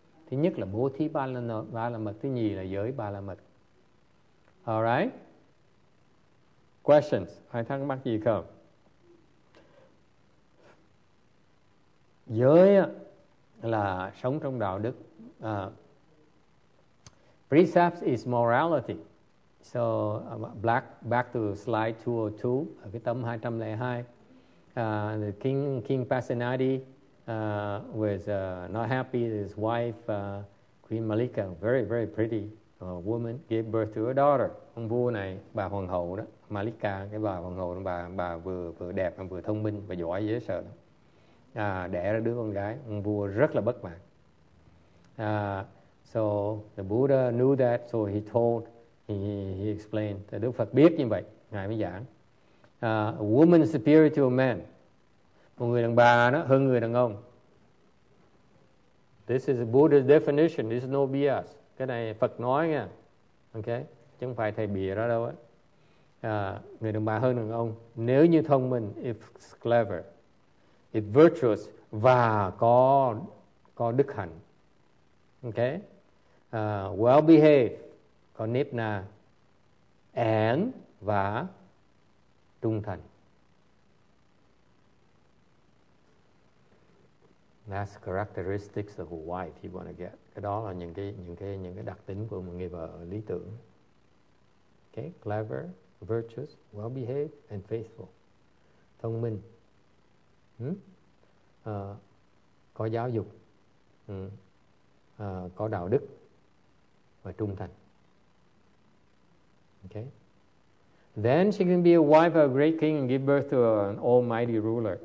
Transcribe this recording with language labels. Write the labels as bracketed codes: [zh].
[vi] Thứ nhất là bố thí ba la mật, thứ nhì là giới ba la mật. [en] All right? Questions? [vi] Ai thắc mắc gì không? Giới là sống trong đạo đức. [en] Precepts is morality. So back to slide 202, [vi] ở cái tấm 202, [en] the king Pasenadi was not happy. His wife Queen Malika, very very pretty woman, gave birth to a daughter. [vi] Ông vua này, bà hoàng hậu đó, Malika, cái bà hoàng hậu, bà vừa đẹp, vừa thông minh, vừa giỏi dễ sợ, đẻ ra đứa con gái. Ông vua rất là bất mãn. [en] So the Buddha knew that, so he told. He explained that [vi] Đức Phật biết như vậy, ngài mới giảng. [en] A woman superior to a man. [vi] Một người đàn bà đó hơn người đàn ông. [en] This is a Buddha's definition. This is no BS. [vi] Cái này Phật nói nha. Okay? Chứ không phải thầy bịa ra đâu á. người đàn bà hơn đàn ông. Nếu như thông minh, [en] if clever, if virtuous [vi] và có đức hạnh, okay, [en] well behaved, [vi] có nếp na, and và trung thành. [en] That's characteristics of a wife you want to get. [vi] Cái đó là những cái đặc tính của một người vợ lý tưởng. [en] Okay, clever, virtuous, well behaved, and faithful. [vi] Thông minh. Có giáo dục. Có đạo đức và trung thành. [en] Okay. Then she can be a wife of a great king and give birth to an almighty ruler.